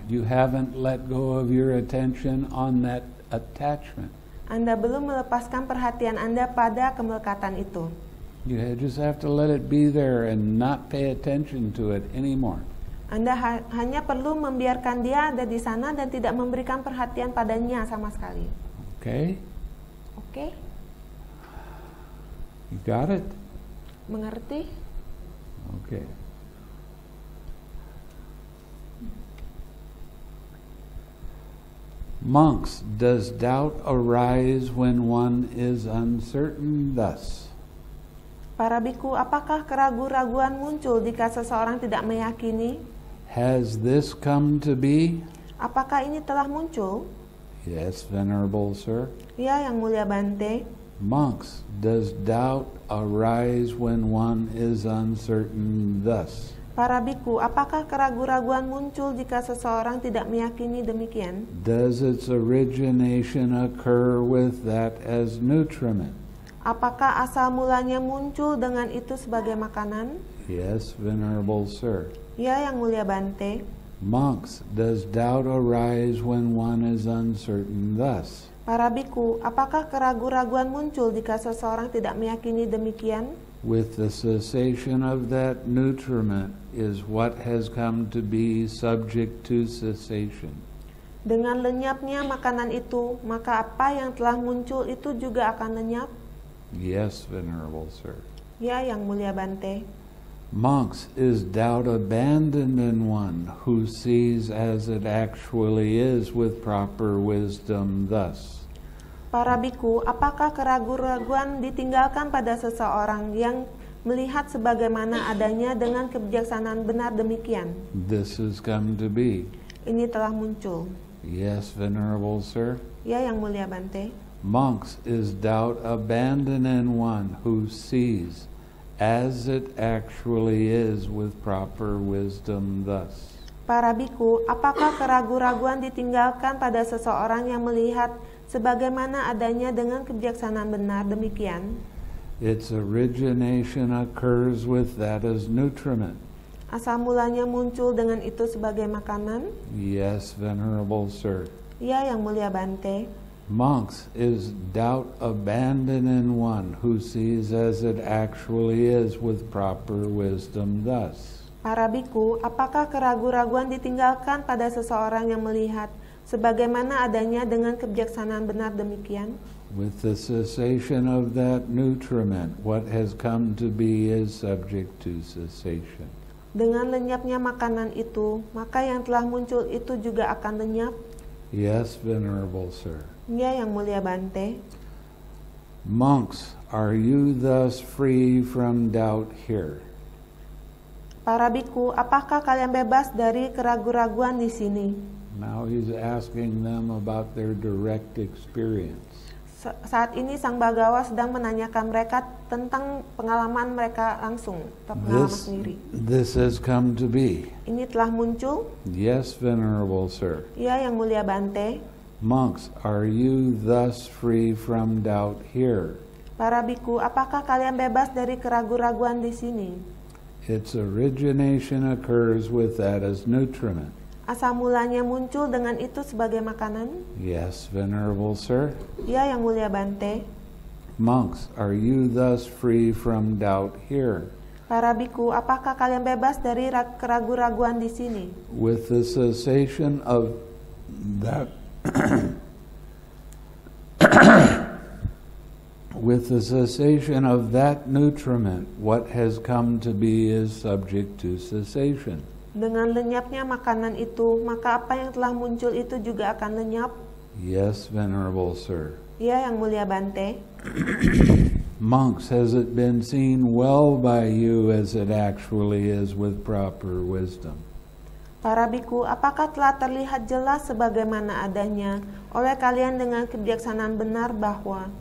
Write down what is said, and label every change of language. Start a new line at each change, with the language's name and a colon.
English: You haven't let go of your attention on that attachment.
Indonesian: Anda belum melepaskan perhatian Anda pada kemelekatan itu.
English: You just have to let it be there and not pay attention to it anymore.
Indonesian: Anda hanya perlu membiarkan dia ada di sana dan tidak memberikan perhatian padanya sama sekali.
English: Okay. Okay. You got it?
Indonesian: Mengerti?
English: Okay. Monks, does doubt arise when one is uncertain thus?
Indonesian: Para bhikkhu, apakah keraguan-keraguan muncul jika seseorang tidak meyakini?
English: Has this come to be?
Indonesian: Apakah ini telah muncul?
English: Yes, venerable sir.
Indonesian: Ya, Yang Mulia Bante.
English: Monks, does doubt arise when one is uncertain thus?
Indonesian: Para bhikkhu, apakah keraguan-keraguan muncul jika seseorang tidak meyakini demikian?
English: Does its origination occur with that as nutriment?
Indonesian: Apakah asal mulanya muncul dengan itu sebagai makanan?
English: Yes, venerable sir.
Indonesian: Ya, Yang Mulia Bante.
English: Monks, does doubt arise when one is uncertain thus?
Indonesian: Para bhikkhu, apakah keraguan-keraguan muncul jika seseorang tidak meyakini demikian?
English: With the cessation of that nutriment is what has come to be subject to cessation.
Indonesian: Dengan lenyapnya makanan itu, maka apa yang telah muncul itu juga akan lenyap?
English: Yes, venerable sir.
Indonesian: Ya, Yang Mulia Bante.
English: Monks, is doubt abandoned in one who sees as it actually is with proper wisdom thus?
Indonesian: Para bhikkhu, apakah keraguan-keraguan ditinggalkan pada seseorang yang melihat sebagaimana adanya dengan kebijaksanaan benar demikian?
English: This has come to be.
Indonesian: Ini telah muncul.
English: Yes, venerable sir.
Indonesian: Ya, Yang Mulia Bante.
English: Monks, is doubt abandoned in one who sees as it actually is with proper wisdom thus?
Indonesian: Para bhikkhu, apakah keraguan-keraguan ditinggalkan pada seseorang yang melihat sebagaimana adanya dengan kebijaksanaan benar demikian?
English: Its origination occurs with that as nutriment.
Indonesian: Asal mulanya muncul dengan itu sebagai makanan?
English: Yes, venerable sir.
Indonesian: Ya, Yang Mulia Bante.
English: Monks, is doubt abandoned in one who sees as it actually is with proper wisdom thus?
Indonesian: Para bhikkhu, apakah keraguan-keraguan ditinggalkan pada seseorang yang melihat sebagaimana adanya dengan kebijaksanaan benar demikian?
English: With the cessation of that nutriment, what has come to be is subject to cessation.
Indonesian: Dengan lenyapnya makanan itu, maka yang telah muncul itu juga akan lenyap.
English: Yes, venerable sir.
Indonesian: Ya, Yang Mulia Bante.
English: Monks, are you thus free from doubt here?
Indonesian: Para bhikkhu, apakah kalian bebas dari keraguan-raguan di sini?
English: Now he's asking them about their direct experience.
Indonesian: Saat ini Sang Bhagava sedang menanyakan mereka tentang pengalaman mereka langsung, pengalaman sendiri.
English: This has come to be.
Indonesian: Ini telah muncul.
English: Yes, venerable sir.
Indonesian: Ya, Yang Mulia Bante.
English: Monks, are you thus free from doubt here?
Indonesian: Para bhikkhu, apakah kalian bebas dari keraguan-raguan di sini?
English: Its origination occurs with that as nutriment.
Indonesian: Asal mulanya muncul dengan itu sebagai makanan?
English: Yes, venerable sir.
Indonesian: Ya, Yang Mulia Bante.
English: Monks, are you thus free from doubt here?
Indonesian: Para bhikkhu, apakah kalian bebas dari keraguan-raguan di sini?
English: With the cessation of that with the cessation of that nutriment, what has come to be is subject to cessation.
Indonesian: Dengan lenyapnya makanan itu, maka apa yang telah muncul itu juga akan lenyap.
English: Yes, venerable sir.
Indonesian: Ya, Yang Mulia Bante.
English: Monks, has it been seen well by you as it actually is with proper wisdom?
Indonesian: Para bhikkhu, apakah telah terlihat jelas sebagaimana adanya oleh kalian dengan kebijaksanaan benar bahwa?